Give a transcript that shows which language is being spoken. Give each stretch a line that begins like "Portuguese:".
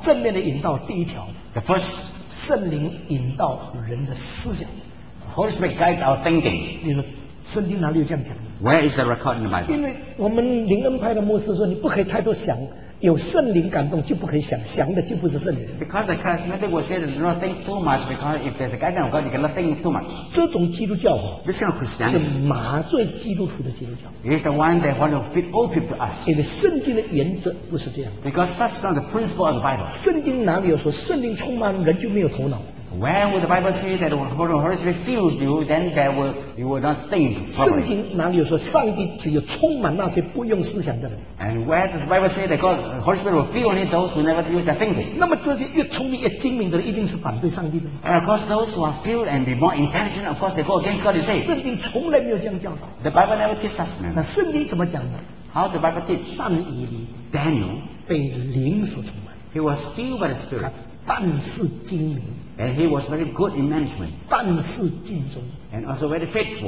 Chinese: 正面的引导第一条
English: ，the first，
Chinese: 圣灵引导人的思想。
English: Holy Spirit guides our thinking.
Chinese: 你说圣经哪里有这样讲
English: ？Where is the record in the Bible?
Chinese: 因为我们灵恩派的牧师说，你不可以太多想，有圣灵感动就不可以想，想的就不是圣灵。
English: Because the charismatic will say that you don't think too much, because if there's a guidance of God, you cannot think too much.
Chinese: 这种基督教
English: This kind of Christianity
Chinese: 是麻醉基督徒的基督教。
English: It's the one that want to fit all people to us.
Chinese: 因为圣经的原则不是这样。
English: Because that's not the principle of the Bible.
Chinese: 圣经哪里有说圣灵充满人就没有头脑？
English: When would the Bible say that the Holy Spirit fills you, then that will you will not think properly?
Chinese: 圣经哪里有说上帝只有充满那些不用思想的人
English: ？And where does the Bible say that God, the Holy Spirit will fill only those who never use their thinking?
Chinese: 那么这些越聪明越精明的人，一定是反对上帝的。
English: And of course, those who are filled and be more intelligent, of course, they go against God. You say
Chinese: 圣经从来没有这样教导。
English: The Bible never teaches such men.
Chinese: 那圣经怎么讲的
English: ？How the Bible teach?
Chinese: 善以理
English: Daniel
Chinese: 被灵所充满。
English: He was filled by the Spirit.
Chinese: 但是精明。
English: And he was very good in management.
Chinese: 但是敬忠
English: And also very faithful.